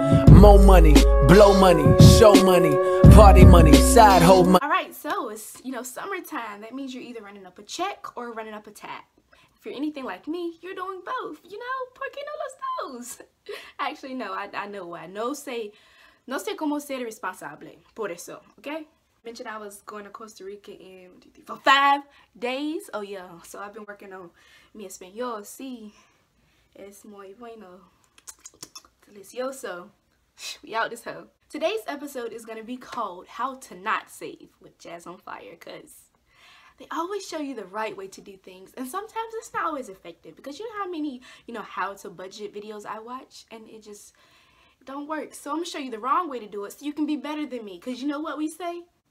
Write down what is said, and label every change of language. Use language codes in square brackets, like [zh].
[en] More money, blow money, show money, party money, side hoe money. All right, so it's, you know, summertime. That means you're either running up a check or running up a tab. If you're anything like me, you're doing both, you know, [es] porque no los dos. [en] Actually, no, I know why. [es] No sé cómo ser responsable, por eso, okay? [en] Mentioned I was going to Costa Rica in for 5 days. Oh yeah, so I've been working on [es] mi español. Sí, es muy bueno, delicioso. [en] We out this hoe. Today's episode is gonna be called "How to Not Save with Jazz on Fire," cause they always show you the right way to do things, and sometimes it's not always effective. Because you know how many, you know, how to budget videos I watch, and it just don't work. So I'm gonna show you the wrong way to do it, so you can be better than me. Cause you know what we say.